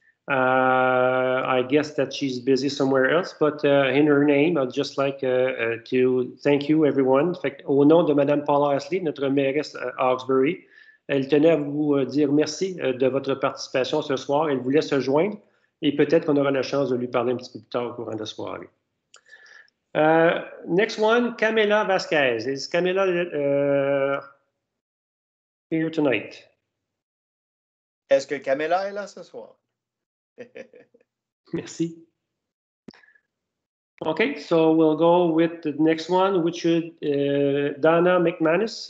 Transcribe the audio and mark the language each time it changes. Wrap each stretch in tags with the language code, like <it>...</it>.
<en>I guess that she's busy somewhere else, but in her name, I'd just like to thank you, everyone.</en> <fr>En fait, au nom de Madame Paula Ashley, notre mairesse à Hawkesbury, elle tenait à vous dire merci de votre participation ce soir. Elle voulait se joindre. Et peut-être qu'on aura la chance de lui parler un petit peu plus tard au courant de la soirée.</fr> <en>Next one, Camila Vasquez. Is Camila here tonight?</en> <fr>Est-ce que Camila est là ce soir? Merci.</fr> <en>Okay, so we'll go with the next one, which is Donna McManus.</en>